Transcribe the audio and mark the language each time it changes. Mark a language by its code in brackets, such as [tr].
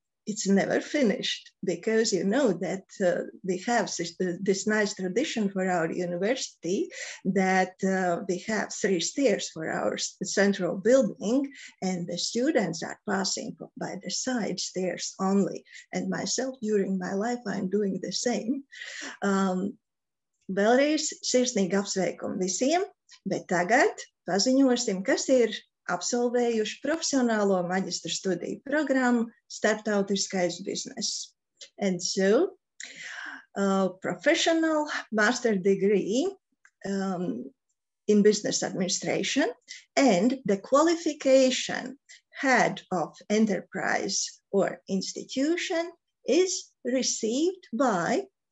[en] it's never finished because you know that we have this nice tradition for our university that we have three stairs for our central building and the students are passing by the side stairs only. And myself, during my life, I'm doing the same. [lv] Vēlreiz sirsnīgi apsveikumu visiem, bet tagad paziņosim, kas ir absolvējuši profesionālo maģistra studiju programmu starptautiskais bizness. [en] And so, professional master degree in business administration and the qualification head of enterprise or institution is received by